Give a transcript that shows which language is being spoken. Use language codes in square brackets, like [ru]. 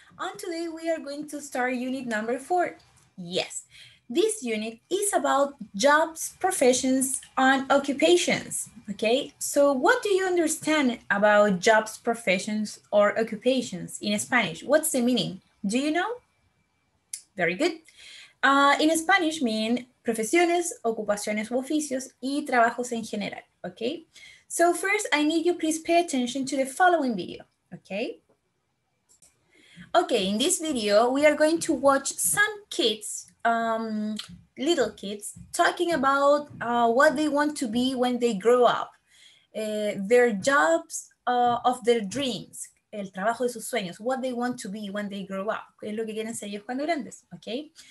[en] And today we are going to start unit number 4. Yes, this unit is about jobs, professions, and occupations. Okay, so what do you understand about jobs, professions, or occupations in Spanish? What's the meaning? Do you know? Very good. In Spanish, mean [es] profesiones, ocupaciones u oficios, y trabajos en general. [en] Okay, so first I need you please pay attention to the following video, okay? Okay, in this video, we are going to watch some kids, little kids, talking about what they want to be when they grow up, their jobs of their dreams, [es] el trabajo de sus sueños, [en] what they want to be when they grow up, [es] es lo que quieren ser ellos cuando grandes, [en] okay?